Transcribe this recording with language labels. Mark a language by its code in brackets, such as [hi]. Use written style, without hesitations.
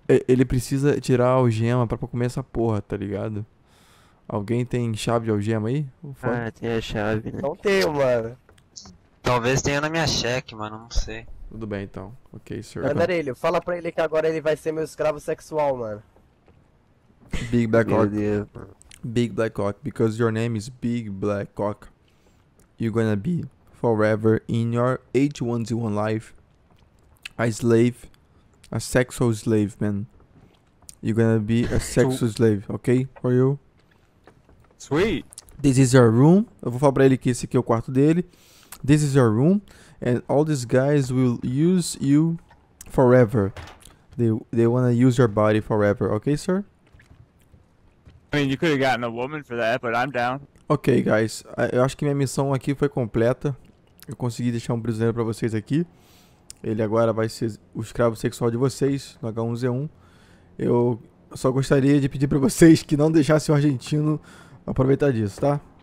[pt] Ele precisa tirar a algema pra comer essa porra, tá ligado? Alguém tem chave de algema aí? Ah, tem a chave, né? Não tenho, mano. Talvez tenha na minha cheque, mano, não sei. Tudo bem, então. Ok, sir. Andarilho, fala pra ele que agora ele vai ser meu escravo sexual, mano. [en] Big Black Cock. Big Black Cock, because your name is Big Black Cock. You're gonna be forever in your H1Z1 life. A slave. A sexual slave, man. You're gonna be a sexual slave, ok? For you. Sweet. This is your room. [pt] Eu vou falar pra ele que esse aqui é o quarto dele. [en] This is your room. And all these guys will use you forever. They wanna use your body forever. Okay, sir? I mean, you could have gotten a woman for that, but I'm down. Okay, guys. [pt] Eu acho que minha missão aqui foi completa. Eu consegui deixar um prisioneiro pra vocês aqui. Ele agora vai ser o escravo sexual de vocês no H1Z1. Eu só gostaria de pedir pra vocês que não deixassem o argentino aproveitar disso, tá?